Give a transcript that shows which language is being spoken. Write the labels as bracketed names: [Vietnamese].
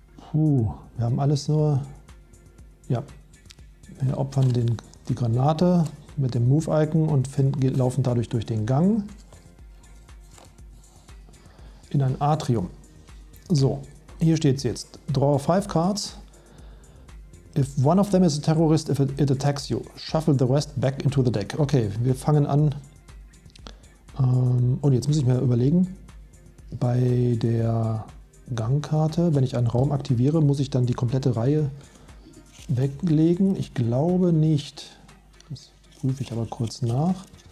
[German] Puh, wir haben alles nur... Ja, wir opfern die Granate mit dem Move-Icon und laufen dadurch durch den Gang in ein Atrium. So, hier steht es jetzt. [English] Draw 5 cards. If one of them is a terrorist, if it attacks you, shuffle the rest back into the deck. [German] Okay, wir fangen an. Und jetzt muss ich mir überlegen, bei der Gangkarte, wenn ich einen Raum aktiviere, muss ich dann die komplette Reihe weglegen? Ich glaube nicht. Prüfe ich aber kurz nach.